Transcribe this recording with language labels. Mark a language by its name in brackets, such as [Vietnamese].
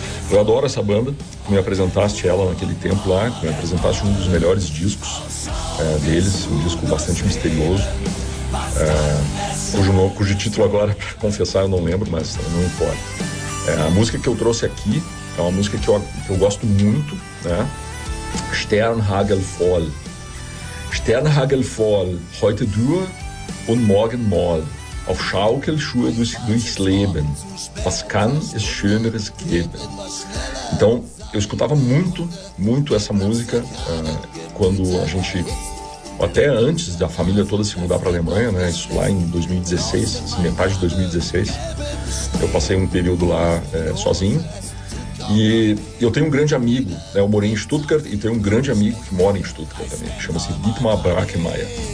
[Portuguese] Eu adoro essa banda, me apresentaste ela naquele tempo lá, me apresentaste um dos melhores discos deles, um disco bastante misterioso. Cujo título agora, para confessar, eu não lembro, mas não importa. A música que eu trouxe aqui é uma música que eu gosto muito, né? [German] Sternhagel voll. Sternhagel voll, heute dur und morgen moll. Auf Schaukelschuhe durchs Leben. Was kann es schöneres geben? [Portuguese] Então, eu escutava muito, muito essa música quando a gente, até antes da família toda se mudar para a Alemanha, né? Isso lá em 2016, assim, metade de 2016, eu passei um período lá sozinho. E eu tenho um grande amigo, né? Eu morei em Stuttgart e tenho um grande amigo que mora em Stuttgart também, que chama-se Dietmar Brackenmeier.